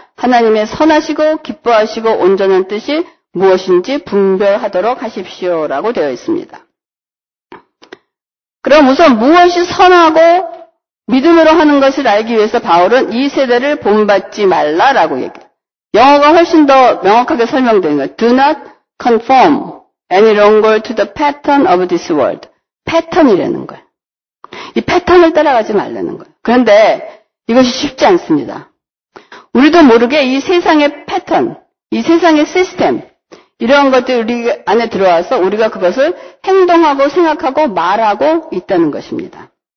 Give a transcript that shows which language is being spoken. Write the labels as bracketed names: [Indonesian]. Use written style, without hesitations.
[Korean] 하나님의 선하시고 기뻐하시고 온전한 뜻이 무엇인지 분별하도록 하십시오 라고 되어 있습니다. 그럼 우선 무엇이 선하고 믿음으로 하는 것을 알기 위해서 바울은 이 세대를 본받지 말라라고 얘기해요. 영어가 훨씬 더 명확하게 설명되는 거예요. [English] Do not conform any longer to the pattern of this world. [Korean] 패턴이라는 거예요. 이 패턴을 따라가지 말라는 거예요. 그런데 이것이 쉽지 않습니다. 우리도 모르게 이 세상의 패턴, 이 세상의 시스템, 이런 것들이 우리 안에 들어와서 우리가 그것을 행동하고 생각하고 말하고 있다는 것입니다.